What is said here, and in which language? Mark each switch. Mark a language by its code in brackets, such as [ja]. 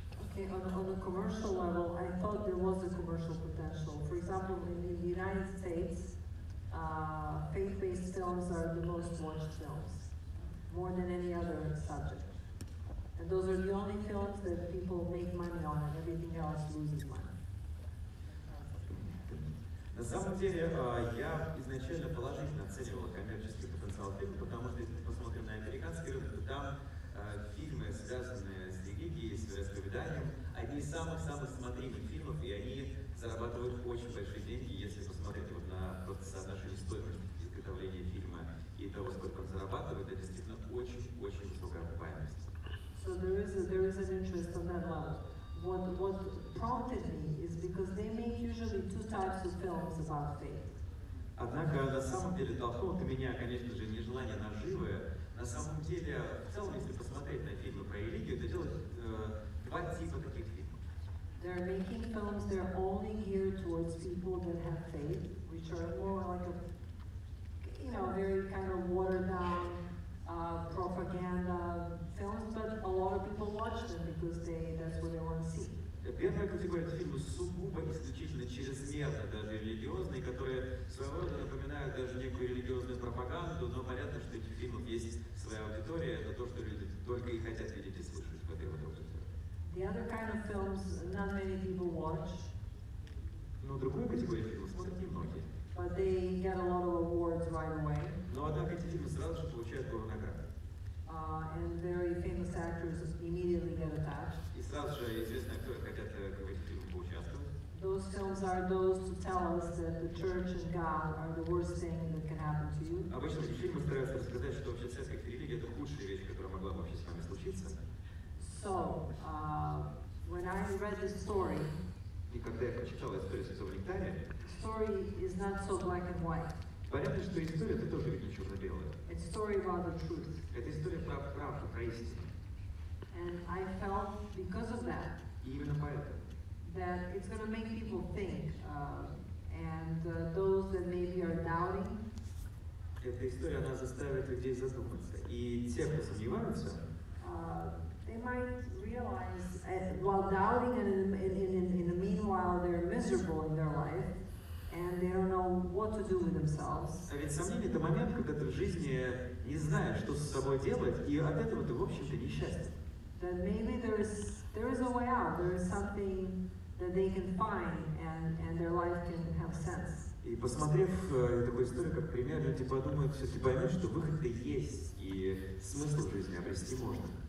[en] Okay, on a commercial level, I thought there was a commercial potential. For example, in the United States, faith-based films are the most watched films, more than any other subject. And those are the only films that people make money on, and everything else loses money. [ru] На самом деле, я изначально положительно оценивал коммерческий потенциал фильма, потому что, если мы посмотрим на американский рынок, то там фильмы, связанные с религией, с вероисповеданием, одни из самых-самых смотримых фильмов, и они зарабатывают очень большие деньги, если посмотреть вот на просто соотношение стоимости изготовления фильма и того, сколько он зарабатывает, это действительно очень-очень высокая окупаемость. [en] So there is an interest on that level. What prompted me is because they make usually two types of films about faith. [ru] Однако, на самом деле, толкнуло ты меня, конечно же, нежелание наживое. На самом деле, в целом, если посмотреть на фильмы про религию, то делают два типа таких фильмов. [en] They're making films that are only geared towards people that have faith, which are more like a, you know, very kind of watered-down propaganda films, but a lot of people watch them because that's what they want to see. [ru] Первая категория — это фильмы сугубо, исключительно чрезмерно даже религиозные, которые своего рода напоминают даже некую религиозную пропаганду, но понятно, что этих фильмов есть своя аудитория, это то, что люди только и хотят видеть и слышать в этой аудитории. [en] The other kind of films not many people watch. [ru] Но другую категорию фильмов смотрят немногие. [en] But they get a lot of awards right away. [ru] Но однако эти фильмы сразу же получают гору наград. [en] And very famous actors immediately get attached. [ru] И сразу же известные актеры хотят в этих фильмах поучаствовать. [en] Those films are those to tell us that the church and God are the worst thing that can happen to you. [ru] Обычно эти фильмы стараются рассказать, что вообще церковь и религия — это худшая вещь, которая могла бы вообще с вами случиться. [en] So, when I read this story, [ru] и когда я прочитал историю Святого Нектария, [en] story is not so black and white. [ru] Понятно, что история — это тоже ведь не черно-белое. [en] It's story about the truth. [ru] Это история про правду, про истину. [en] And I felt because of that, [ru] и именно поэтому, [en] that it's gonna make people think, and those that maybe are doubting, [ru] эта история, она заставит людей задуматься. И те, кто сомневаются, [en] they might realize, while doubting and in the meanwhile they're miserable in their life, and they don't know what to do with themselves. [ru] А ведь сомнение — это момент, когда ты в жизни не знаешь, что с собой делать, и от этого ты, в общем-то, несчастен. [en] That maybe there is a way out, there is something that they can find, and their life can have sense. [ru] И посмотрев такую историю как пример, люди подумают, все-таки поймут, что выход-то есть, и смысл в жизни обрести можно.